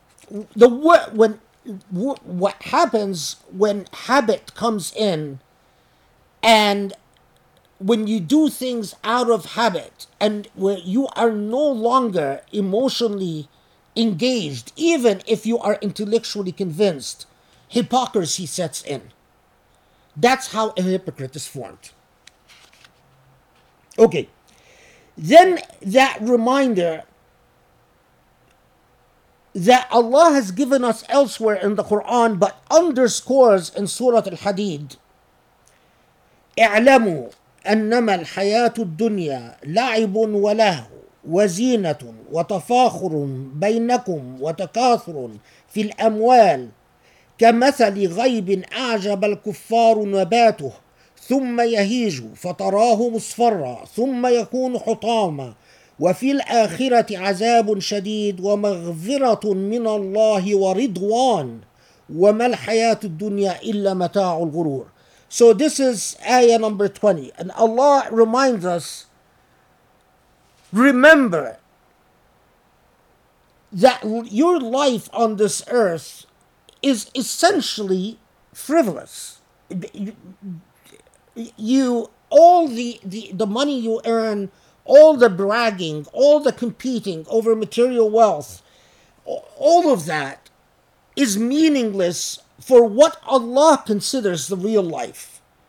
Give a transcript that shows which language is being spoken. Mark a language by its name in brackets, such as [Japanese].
[English] What happens when habit comes in, and when you do things out of habit, and where you are no longer emotionally engaged, even if you are intellectually convinced, hypocrisy sets in. That's how a hypocrite is formed. Okay, then that reminder that Allah has given us elsewhere in the Quran, but underscores in Surah Al-Hadid, [Arabic] اعلموا أنما الحياة الدنيا لعب ولهو وزينة وتفاخر بينكم وتكاثر في الأموال كمثل غيب أعجب الكفار نباته ثم يهيج فتراه مصفرا ثم يكون حطاما وفي الآخرة عذاب شديد ومغفرة من الله ورضوان وما الحياة الدنيا إلا متاع الغرور. [English] So this is ayah number 20, and Allah reminds us, remember that your life on this earth is essentially frivolous. All the money you earn, all the bragging, all the competing over material wealth, all of that is meaningless for what Allah considers the real life.